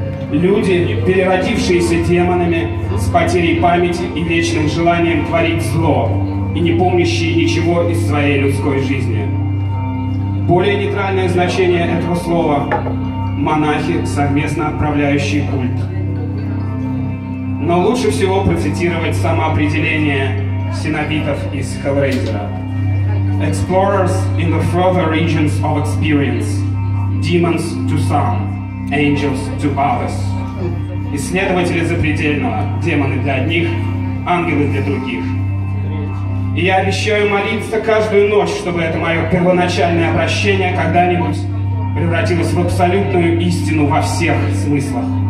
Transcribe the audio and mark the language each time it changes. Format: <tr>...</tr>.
<ru>Люди, переродившиеся демонами, с потерей памяти и вечным желанием творить зло, и не помнящие ничего из своей людской жизни. Более нейтральное значение этого слова – монахи, совместно отправляющие культ. Но лучше всего процитировать самоопределение синобитов из Hellraiser.</ru> <en>Explorers in the further regions of experience. Demons to some, angels to others.</en> <ru>Исследователи запредельного, демоны для одних, ангелы для других. И я обещаю молиться каждую ночь, чтобы это мое первоначальное обращение когда-нибудь превратилось в абсолютную истину во всех смыслах.</ru>